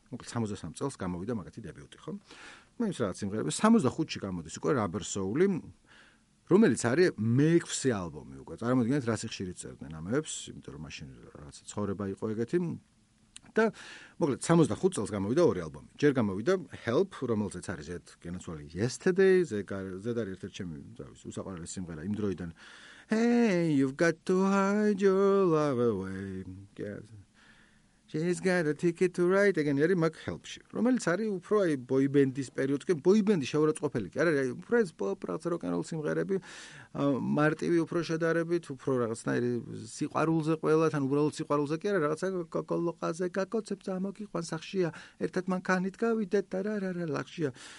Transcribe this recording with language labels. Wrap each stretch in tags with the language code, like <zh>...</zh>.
<ka>მოკლედ 63 წელს გამოვიდა მაგათი დებიუტი, ხო? მე ის რაღაც სიმღერები 65-ში გამოდის უკვე Rubber Soul-ი, რომელიც არის მე-6 ალბომი უკვე. წარმოიდგინეთ, რა სიხშირე წერდნენ ამებს, იმიტომ რომ მაშინ რაღაცა ცხოვრება იყო ეგეთი. და მოკლედ 65 წელს გამოვიდა ორი ალბომი. ჯერ გამოვიდა Help, რომელზეც არის ზედ განაცვალი Yesterday, ზედ არის ერთ-ერთი ჩემი, ზავის, უსაყვარლესი სიმღერა იმ დროიდან.</ka> <en>Hey, you've got to hide your love away. Yes. She's got a ticket to ride again. Yeri mak helpshi.</en> <ka>რომელიც არის უფრო აი boy band-ის პერიოდში, boy band-ი შეურაცხყოფელი კი არა, აი უფრო ეს pop rock rock and roll სიმღერები მარტივი უფრო შედარებით, უფრო რაღაცნაირი სიყვარულზე ყველა, თან უბრალოდ სიყვარულზე კი არა, რაღაცა კოკოლოყაზე გაკოცებს ამოგიყვან სახშია, ერთად მან ქანით გავიდეთ და რა რა რა ლახშია.</ka>